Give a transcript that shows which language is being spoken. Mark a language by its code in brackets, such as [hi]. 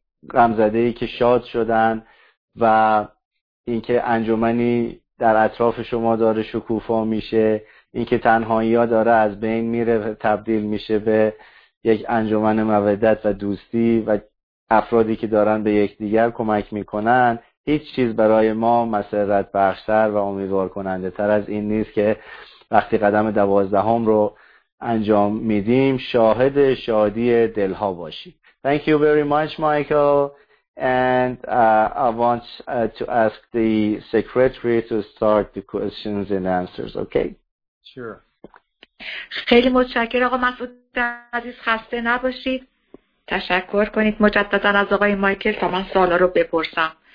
[fa] غمزدهی که شاد شدن و اینکه انجمنی در اطراف شما داره شکوفا میشه، اینکه تنهایی ها داره از بین میره و تبدیل میشه به یک انجمن مودت و دوستی و افرادی که دارن به یکدیگر کمک میکنن، هیچ چیز برای ما مسرت بخشتر و امیدوار کننده تر از این نیست که وقتی قدم 12 رو انجام میدیم شاهد شادی دلها باشیم. [en] Thank you very much, Michael. And I want to ask the secretary to start the questions and answers, okay? Sure. [fa] خیلی متشکر آقا مسعود عزیز، خسته نباشید. تشکر کنید مجددا از آقای مایکل تا من سوالا رو بپرسم.